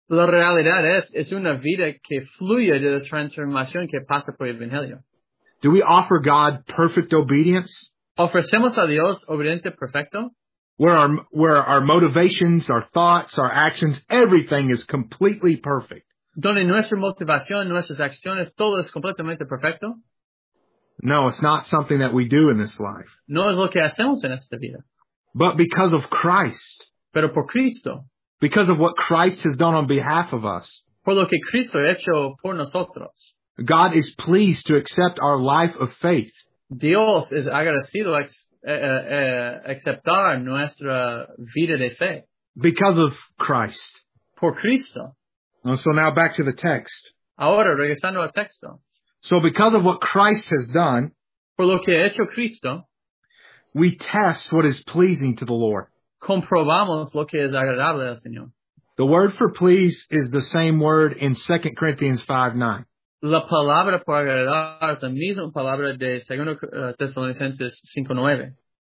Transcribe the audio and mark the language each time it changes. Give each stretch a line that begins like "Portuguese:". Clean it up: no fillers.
Spanish: La realidad es una vida que fluye de la transformación que pasa por el evangelio.
English: Do we offer God perfect obedience?
Spanish: ¿Ofrecemos a Dios obediencia perfecta?
English: Where our motivations, our thoughts, our actions, everything is completely perfect.
Spanish: Donde nuestra motivación, nuestras acciones, todo es completamente perfecto.
English: No, it's not something that we do in this life.
Spanish: No es lo que hacemos en esta vida.
English: But because of Christ.
Spanish: Pero por Cristo.
English: Because of what Christ has done on behalf of us.
Spanish: Por lo que Cristo ha hecho por nosotros.
English: God is pleased to accept our life of faith.
Spanish: Dios es agradecido aceptar nuestra vida de fe.
English: Because of Christ.
Spanish: Por Cristo.
English: And so now back to the text.
Spanish: Ahora regresando al texto.
English: So because of what Christ has done,
Spanish: por lo que ha hecho Cristo,
English: we test what is pleasing to the Lord.
Spanish: Comprobamos lo que es agradable al Señor.
English: The word for please is the same word in 2 Corinthians 5:9.
Spanish: La palabra por agradar es la misma palabra de 2 Tesalonicenses 5:9.